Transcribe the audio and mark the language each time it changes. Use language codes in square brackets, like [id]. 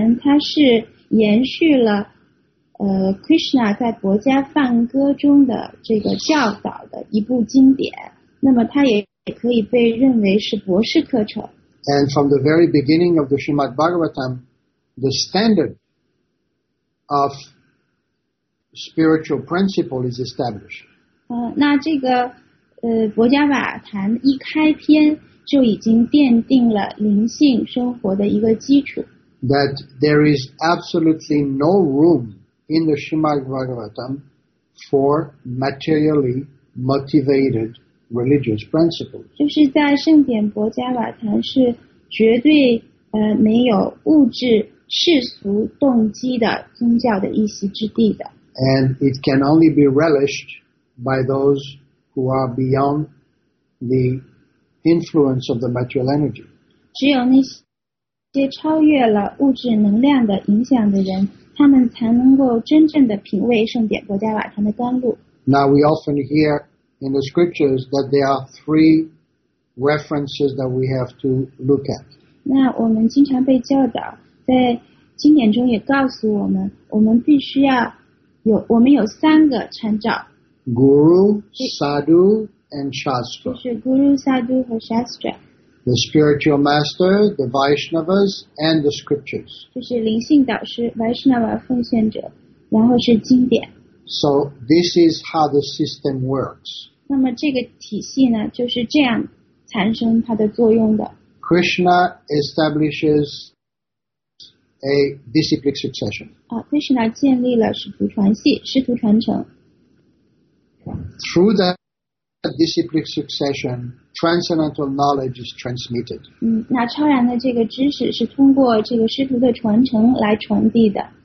[zh] 那么圣典薄伽瓦坛它是延续了 Krishna 在薄伽梵歌中的这个教导的一部经典，那么它也可以被认为是博士课程。 [en] And from the very beginning of the Śrīmad Bhāgavatam, the standard of spiritual principle is established. [zh] 那这个薄伽瓦坛一开篇就已经奠定了灵性生活的一个基础。 [en] That there is absolutely no room in the Srimad Bhagavatam for materially motivated religious principles. [zh] 就是在圣典佛家瓦坛是绝对没有物质世俗动机的宗教的一席之地的。 [en] And it can only be relished by those who are beyond the influence of the material energy. [zh] 只有那些超越了物质能量的影响的人, 他们才能够真正的品味圣典佛家瓦坛的甘露。 [en] Now we often hear in the scriptures that there are three references that we have to look at. [zh] 那我们经常被教导, 在经典中也告诉我们, 我们有三个参照。 [en] Guru, Sadhu, and Shastra. [zh] 就是Guru, Sadhu, and Shastra. [en] The spiritual master, the Vaishnavas, and the scriptures. [zh] 就是灵性导师, Vaishnava, 奉献者, 然后是经典。 [en] So this is how the system works. [zh] 那么这个体系呢, 就是这样产生它的作用的。 [en] Krishna establishes a disciplic succession. [zh] Krishna建立了师徒传系,师徒传承。 [en] Through that disciplic succession, transcendental knowledge is transmitted. [zh] 那超然的这个知识是通过这个师徒的传承来传递的。